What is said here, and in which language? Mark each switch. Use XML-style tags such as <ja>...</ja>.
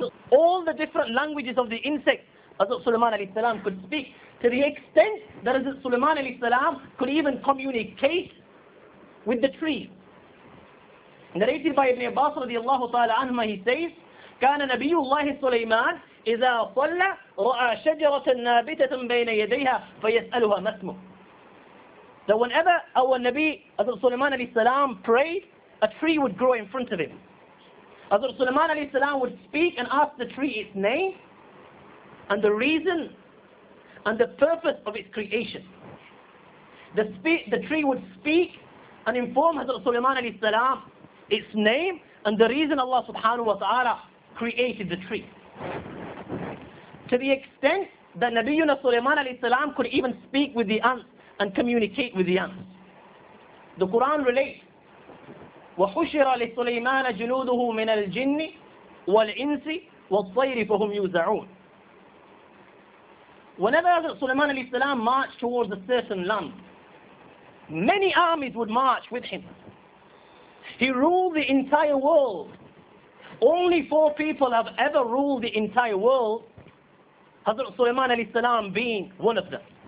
<en>All the different languages of the insects, Hazrat Sulaiman alayhi salam could speak, to the extent that Hazrat Sulaiman alayhi salam could even communicate with the tree.</en> <ar>Narrated by Ibn Abbas radiallahu ta'ala anhuma, he says, كَانَ نَبِيُّ اللَّهِ سُلَيْمَانِ إِذَا صَلَّ رَأَى شَجَرَةً نَابِتَةً بَيْنَ يَدَيْهَا فَيَسْأَلُهَا مَسْمُهُ.</ar> <en>So whenever our Nabi, Hazrat Sulaiman alayhi salam, prayed, a tree would grow in front of him. Hazrat Sulaiman alayhi salam would speak and ask the tree its name and the reason and the purpose of its creation. The tree would speak and inform Hazrat Sulaiman alayhi salam its name and the reason Allah subhanahu wa ta'ala created the tree. To the extent that Nabiyuna Sulaiman alayhi salam could even speak with the ants and communicate with the ants.</en> <ar>The Quran relates, وَحُشِرَ لِسُلَيْمَانَ جُنُودُهُ مِنَ الْجِنِّ وَالْإِنْسِ وَالطَّيْرِ فَهُمْ يُوزَعُونَ.</ar> <en>Whenever Sulaiman alayhi salam marched towards a certain land, many armies would march with him. He ruled the entire world. Only four people have ever ruled the entire world, Hazrat Sulaiman alayhi salam being one of them.</en>